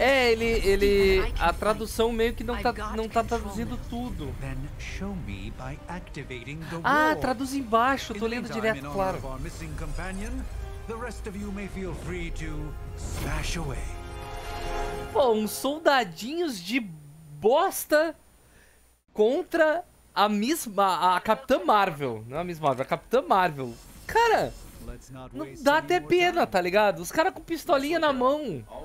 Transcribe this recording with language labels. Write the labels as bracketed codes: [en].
[pt] É, ele a tradução meio que não tá traduzindo tudo. [en] Then show me by activating the ward. [pt] Ah, traduz embaixo, tô lendo direto, claro. [en] Our missing companion, the rest of you may feel free to smash away. [pt] Pô, uns soldadinhos de bosta contra a mesma a Capitã Marvel, não a Miss Marvel, a Capitã Marvel. Cara, não dá até pena, tá ligado? Os caras com pistolinha na mão.